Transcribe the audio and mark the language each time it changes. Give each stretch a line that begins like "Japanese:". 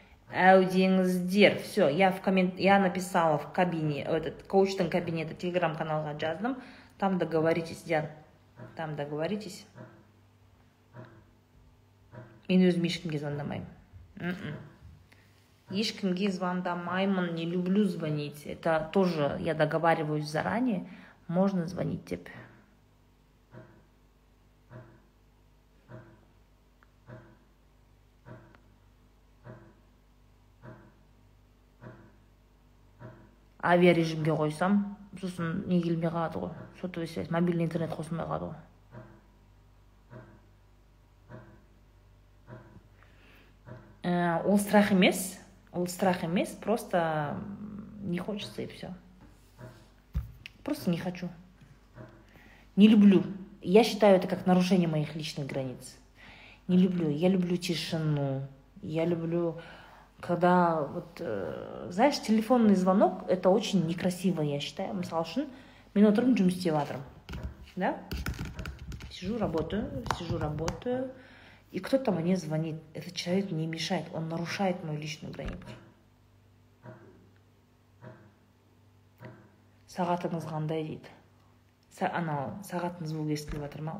Russian: Әудеңіздер, все, я написала в кабине, в этот коучтың кабинеті,
Kazakh: телеграм-каналға жаздым,
Russian: там договоритесь, Диан, там договоритесь.
Kazakh: Мен өзім ешкімге звондамаймын. Ешкімге звондамаймын,
Russian: не люблю звонить, это тоже я договариваюсь заранее, можно звонить деп.
Kazakh: Авиарежимге қойсам, сосын не келмей қалады ғой. Сотовый связь, мобильный интернет қосылмай қалады ғой. Ол страх емес,
Russian: просто не хочется и все. Просто не хочу. Не люблю. Я считаю это как нарушение моих личных границ. Не люблю. Я люблю тишину. Я люблю... Когда вот, знаешь, телефонный звонок, это очень некрасиво, я считаю.
Kazakh: Мысалы үшін, мен отырым, жұмыс істеп жатырым.
Russian: Да? Сижу, работаю. И кто-то мне звонит. Этот человек не мешает, он нарушает мою личную границу.
Kazakh: Сағатыңыз қандай дейді? Сағатыңыз болу естіліп жатыр ма?